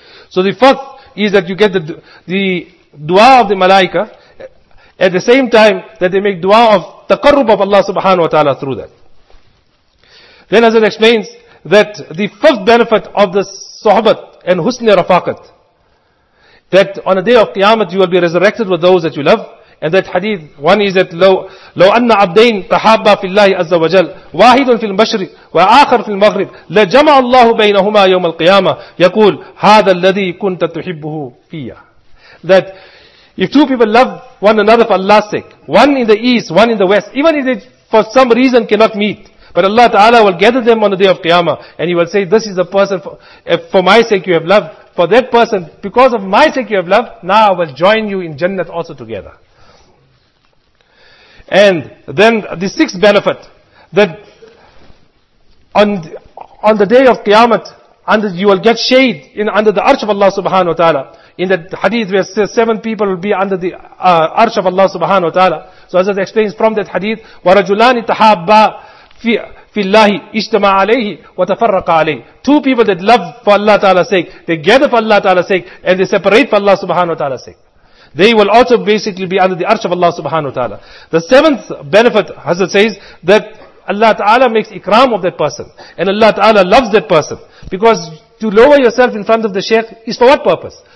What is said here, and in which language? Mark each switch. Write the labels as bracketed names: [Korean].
[English] So the fourth is that you get the dua of the malaika at the same time that they make dua of taqarrub of Allah subhanahu wa ta'ala through that. Then as it explains that the fifth benefit of the sohbat and husn rafaqat, that on a day of qiyamah you will be resurrected with those that you love. And that hadith, one is that [Arabic] لو أن عبدين تحابا في الله عز وجل واحد في المشرق وآخر في المغرب لجمع الله بينهما يوم القيامة يقول هذا الذي كنت تحبه فيا. [English] That if two people love one another for Allah's sake, one in the east, one in the west, even if they for some reason cannot meet. But Allah Ta'ala will gather them on the day of Qiyamah, and He will say, this is the person for my sake you have loved. For that person, because of my sake you have loved, now I will join you in Jannah also together. And then the sixth benefit, that on the day of Qiyamah, under you will get shade in under the arch of Allah subhanahu wa ta'ala. In that hadith where seven people will be under the arch of Allah subhanahu wa ta'ala. So as it explains from that hadith, [Arabic] وَرَجُلَانِ تَحَابَّا فِي اللَّهِ اِجْتَمَعَ عَلَيْهِ وَتَفَرَّقَ عَلَيْهِ. [English] Two people that love for Allah ta'ala's sake, they gather for Allah ta'ala's sake, and they separate for Allah subhanahu wa ta'ala's sake. They will also basically be under the arch of Allah subhanahu wa ta'ala. The seventh benefit, Hazrat says, that Allah ta'ala makes ikram of that person. And Allah ta'ala loves that person. Because to lower yourself in front of the shaykh is for what purpose?